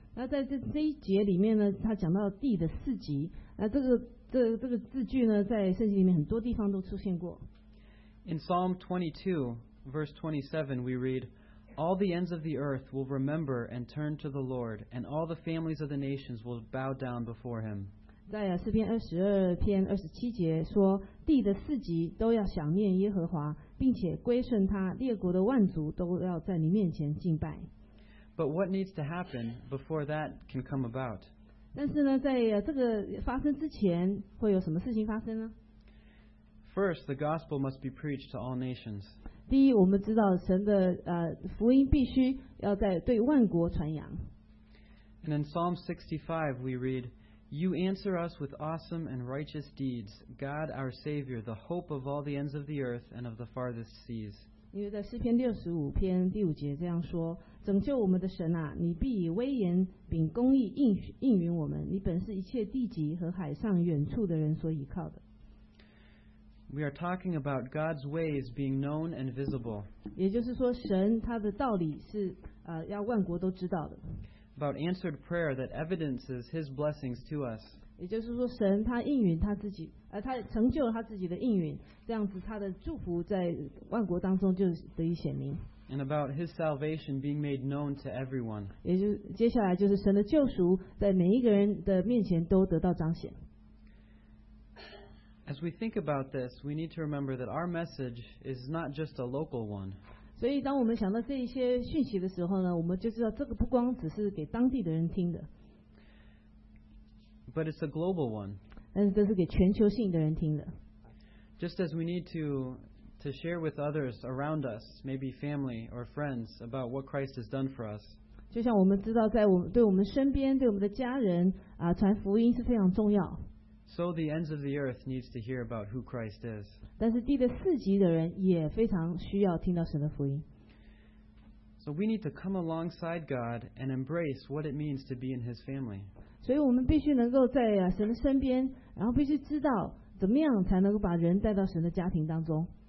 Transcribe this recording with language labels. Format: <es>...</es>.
<zh>那在这一节里面呢, 它讲到地的四极, 那这个字句呢, 在圣经里面很多地方都出现过。</zh> <en>In Psalm 22, verse 27, we read, all the ends of the earth will remember and turn to the Lord, and all the families of the nations will bow down before him.</en> <zh>在诗篇22篇27节说, 地的四极都要想念耶和华, 并且归顺他, 列国的万族都要在你面前敬拜。</zh> <en>But what needs to happen before that can come about?</en> <zh>但是呢, 在这个发生之前, 会有什么事情发生呢?</zh> <en>First, the gospel must be preached to all nations.</en> <zh>第一, 我们知道神的, 福音必须要在对万国传扬。</zh> <en>And in Psalm 65, we read, you answer us with awesome and righteous deeds, God our Savior, the hope of all the ends of the earth and of the farthest seas.</en> <zh>因为在诗篇65篇第五节这样说, 拯救我们的神啊, 你必以威严秉公义应允我们, 你本是一切地极和海上远处的人所倚靠的。</zh> <en>We are talking about God's ways being known and visible.</en> <zh>也就是说神他的道理是, 要万国都知道的。</zh> <en>About answered prayer that evidences His blessings to us.</en> <zh>也就是说神他应允他自己, 他成就了他自己的应允, 这样子他的祝福在万国当中就得以显明。</zh> <en>And about His salvation being made known to everyone.</en> <zh>也就是接下来就是神的救赎在每一个人的面前都得到彰显。</zh> <en>As we think about this, we need to remember that our message is not just a local one.</en> <zh>所以当我们想到这一些讯息的时候呢, 我们就知道这个不光只是给当地的人听的,</zh> <en>but it's a global one.</en> <zh>但是这是给全球性的人听的。</zh> <en>Just as we need to share with others around us, maybe family or friends, about what Christ has done for us.</en> <zh>就像我们知道在我们身边, 对我们的家人, 传福音是非常重要。</zh> <en>So the ends of the earth needs to hear about who Christ is.</en> <zh>但是地的四极的人也非常需要听到神的福音。</zh> <en>So we need to come alongside God and embrace what it means to be in His family.</en> <zh>所以我们必须能够在神的身边, 然后必须知道怎么样才能够把人带到神的家庭当中。</zh>